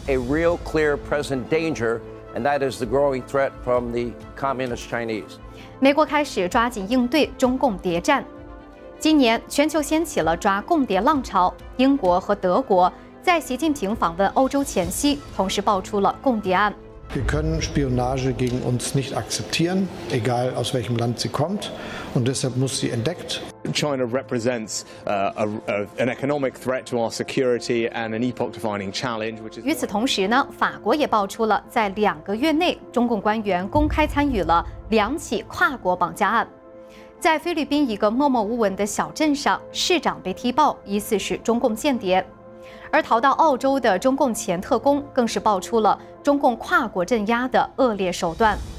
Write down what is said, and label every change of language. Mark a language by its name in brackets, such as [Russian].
[English] A real clear present danger, and that is the growing threat from the communist Chinese. [Chinese] 美国开始抓紧应对中共谍战。今年全球掀起了抓共谍浪潮，英国和德国在习近平访问欧洲前夕同时爆出了共谍案。 [German] Wir können Spionage gegen uns nicht akzeptieren, egal aus welchem Land sie kommt, und deshalb muss sie entdeckt. [English] China represents an economic threat to our security and an epoch-defining challenge. [Chinese] 与此同时呢，法国也爆出了在两个月内，中共官员公开参与了两起跨国绑架案。在菲律宾一个默默无闻的小镇上，市长被踢爆，疑似是中共间谍。而逃到澳洲的中共前特工更是爆出了中共跨国镇压的恶劣手段。